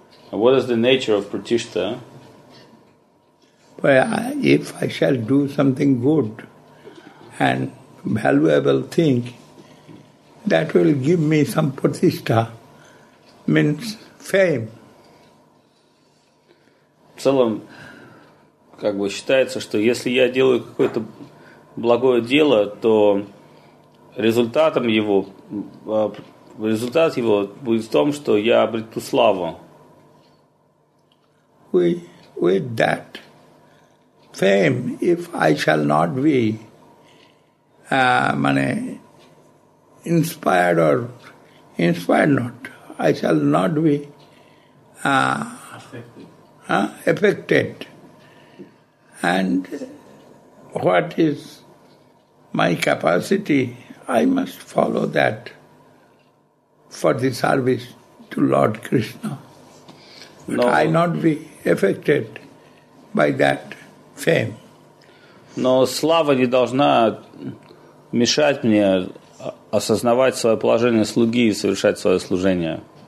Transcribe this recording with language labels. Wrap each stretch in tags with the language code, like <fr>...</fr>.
<en>What is the nature of pratishtha? Well, if I shall do something good and valuable thing, that will give me some pratishtha, means fame.</en> <ru>В целом, как бы считается, что если я делаю какой-то благое дело, то результатом его, результат его будет в том, что я обрету славу.</ru> <en>With that fame, if I shall not be affected. And what is my capacity, I must follow that for the service to Lord Krishna. But I not be affected by that fame.</en> <ru>Но слава не должна мешать мне осознавать свое положение слуги и совершать свое служение.</ru>